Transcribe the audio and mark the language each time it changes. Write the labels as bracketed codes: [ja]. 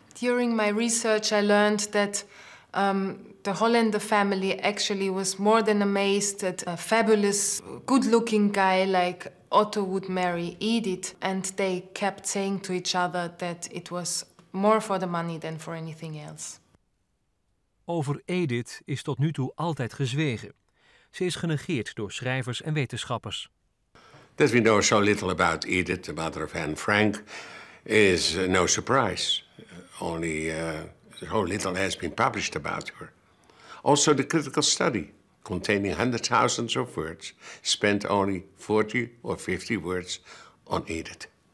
[en] During my research, I learned that the Hollander family actually was more than amazed that a fabulous, good-looking guy like Otto would marry Edith, and they kept saying to each other that it was more for the money than for anything else. [nl] Over Edith is tot nu toe altijd gezwegen. Ze is genegeerd door schrijvers en wetenschappers. [en] That we know so little about Edith, the mother of Anne Frank, is no surprise. Only so little has been published about her. Also, the critical study, containing hundreds of thousands of words, spent only 40 or 50 words on Edith.